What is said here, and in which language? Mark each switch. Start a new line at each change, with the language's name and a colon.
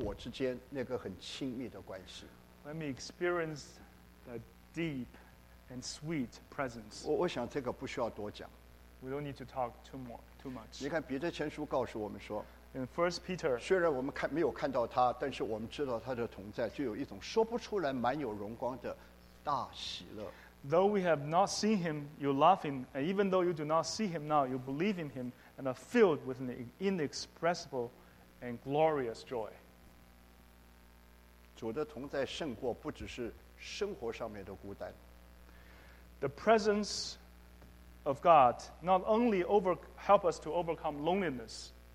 Chinese: 让我起码能够真的感受到他跟我之间那个很亲密的关系。
English: Let me experience the deep and sweet presence.
Chinese: 我想这个不需要多讲。
English: We don't need to talk too much.
Chinese: 你看彼得前书告诉我们说,
English: in 1 Peter,
Chinese: 虽然我们没有看到他, 但是我们知道他的同在, 就有一种说不出来蛮有荣光的大喜乐。
English: Though we have not seen him, you love him, and even though you do not see him now, you believe in him, and are filled with an inexpressible and glorious joy.
Chinese: 主的同在胜过不只是生活上面的孤单。
English: The presence of God not only help us to overcome loneliness,